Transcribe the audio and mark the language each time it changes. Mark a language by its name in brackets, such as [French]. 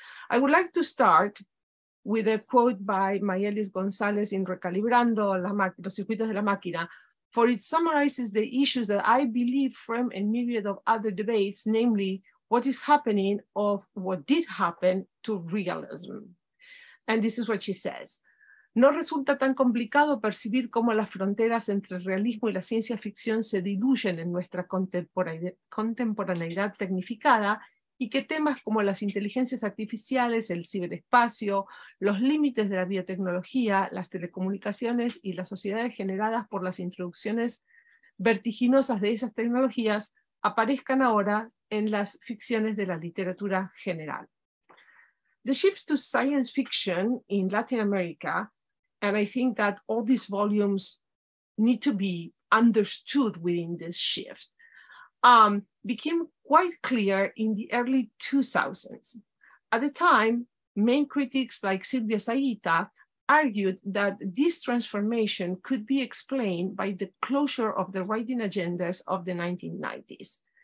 [English] I would like to start with a quote by Mayelis González in Recalibrando Los Circuitos de la Máquina, for it summarizes the issues that I believe frame a myriad of other debates, namely what is happening or what did happen to realism. And this is what she says. [Spanish] No resulta tan complicado percibir cómo las fronteras entre el realismo y la ciencia ficción se diluyen en nuestra contemporaneidad tecnificada y que temas como las inteligencias artificiales, el ciberespacio, los límites de la biotecnología, las telecomunicaciones y las sociedades generadas por las introducciones vertiginosas de esas tecnologías aparezcan ahora en las ficciones de la literatura general. [English] The shift to science fiction in Latin America, and I think that all these volumes need to be understood within this shift, became quite clear in the early 2000s. At the time, main critics like Silvia Saita argued that this transformation could be explained by the closure of the writing agendas of the 1990s.